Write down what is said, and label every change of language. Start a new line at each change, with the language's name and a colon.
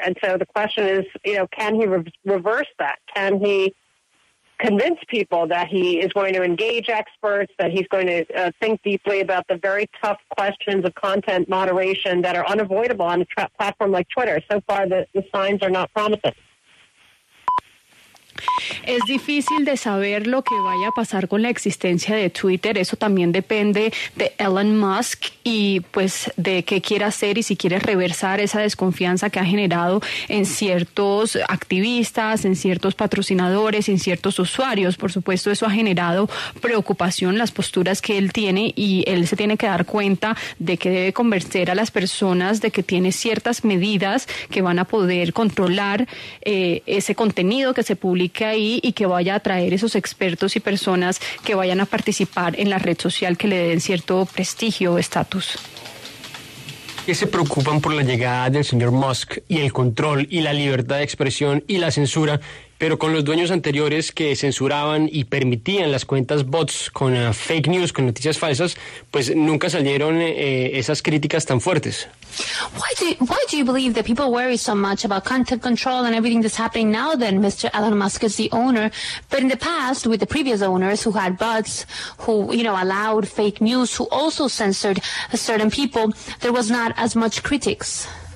English: And so the question is, you know, can he reverse that? Can he convince people that he is going to engage experts, that he's going to think deeply about the very tough questions of content moderation that are unavoidable on a platform like Twitter? So far, the signs are not promising.
Spanish: Es difícil de saber lo que vaya a pasar con la existencia de Twitter. Eso también depende de Elon Musk y pues de qué quiera hacer y si quiere reversar esa desconfianza que ha generado en ciertos activistas, en ciertos patrocinadores, en ciertos usuarios. Por supuesto, eso ha generado preocupación, las posturas que él tiene, y él se tiene que dar cuenta de que debe convencer a las personas de que tiene ciertas medidas que van a poder controlar ese contenido que se publica ahí y que vaya a traer esos expertos y personas que vayan a participar en la red social que le den cierto prestigio o estatus. ¿Qué se preocupan por la llegada del señor Musk y el control y la libertad de expresión y la censura, pero con los dueños anteriores que censuraban y permitían las cuentas bots con fake news, con noticias falsas, pues nunca salieron esas críticas tan fuertes?
English: Why do you believe that people worry so much about content control and everything that's happening now that Mr. Elon Musk is the owner? But in the past, with the previous owners who had bots, who, you know, allowed fake news, who also censored certain people, there was not as much critics.